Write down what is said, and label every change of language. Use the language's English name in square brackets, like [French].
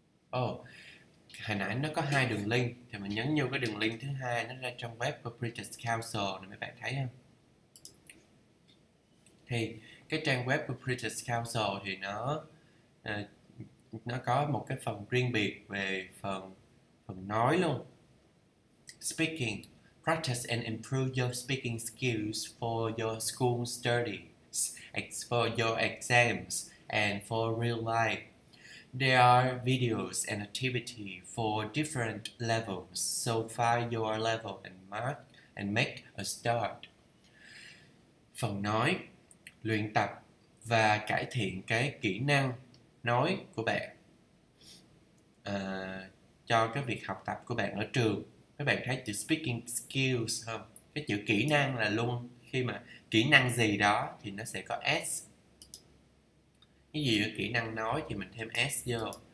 [Vietnamese] Hồi nãy nó có hai đường link thì mình nhấn vô cái đường link thứ hai, nó ra trong web của British Council nè mấy bạn thấy không? Thì cái trang web của British Council thì nó có một cái phần riêng biệt về phần nói luôn. [English] Speaking, practice and improve your speaking skills for your school studies, for your exams and for real life. There are videos and activity for different levels, so find your level and mark and make a start. [Vietnamese] Phần nói, luyện tập và cải thiện cái kỹ năng nói của bạn cho cái việc học tập của bạn ở trường. Các bạn thấy chữ speaking skills không? Cái chữ kỹ năng là luôn khi mà kỹ năng gì đó thì nó sẽ có S. Cái gì kỹ năng nói thì mình thêm S vô.